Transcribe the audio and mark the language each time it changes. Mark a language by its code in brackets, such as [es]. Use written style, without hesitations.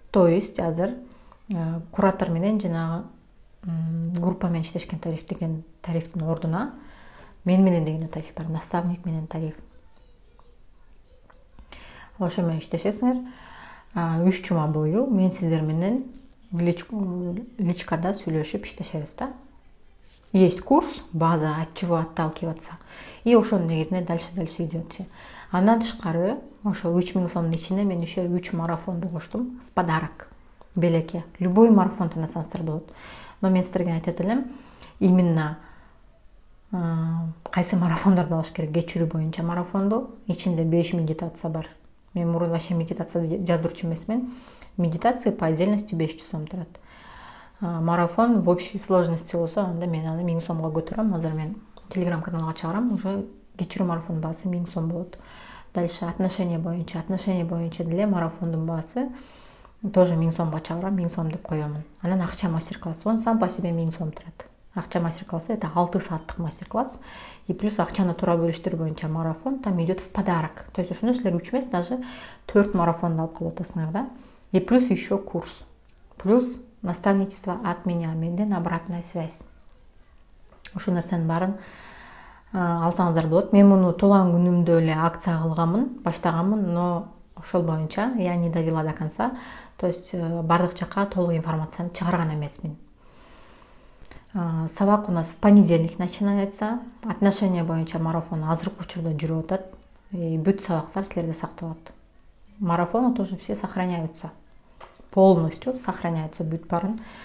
[ky] То есть азыр куратор менен жана группа менен иштешкен тариф деген тарифтин ордуна мен менен деген тариф бар, наставник менен тариф. Ошо менен иштешесиңер. 3 жума бою мен сиздер менен личкада сүйлөшүп иштешебиз да. [ru] Есть курс, база, от чего отталкиваться. [ky] И ошол негизинде [ru] дальше идёт. [ky] Андан тышкары, ошол 3000 сомдун ичинде мен еще 3 марафонду коштум [ru] в подарок. [ky] Белеке. Любой марафон тандасаңыздар болот. Но мен сиздерге айтат элем, именно кайсы марафондорду алыш керек, кечирүү боюнча марафонду, ичинде 5 медитация бар. Мен мурун вообще медитация жаздырчу эмесмин. Медитация [ru] по отдельности [ky] 500 сом турат. Марафон [ru] в общей сложности [ky] болсо, анда мен аны 1000 сомго көтөрөм. Азыр мен телеграм-каналга чыгарам, уже кечирүү марафон баасы 1000 сом болот. Дальше отношения боюнча деле марафондун баасы [ru] тоже [ky] 1000 сомго чыгарам, 1000 сом деп коемун. Анан акча мастер-класс, [ru] он сам по себе [ky] 1000 сом турат. Акча мастер-классы это 6 сааттык мастер-класс. [ru] И плюс [ky] акчаны туура бөлүштүр боюнча [ru] марафон там идет в подарок. [ky] То есть ушуну силер 3 эмес, даже 4 марафонду алып калып атасыңар да. [ru] И плюс еще курс. Плюс наставничество от меня, [ky] менден [ru] обратная связь. [ky] Ушул нерсенин баарын алсаңыздар болот. Мен муну тулаан күнүмдө эле акция кылганмын, баштаганмын, но ошол боюнча [ru] я не довела до конца. То есть [ky] бардык жака толук информацияны чыгарган эмесмин. [ru] Сабак у нас в понедельник начинается. [ky] Отношения боюнча марафон азыркы учурда жүрүп атат. И бүт сабактар силерде сакталат. [ru] Марафоны тоже все сохраняются. Полностью сохраняются [ky] бүт барын.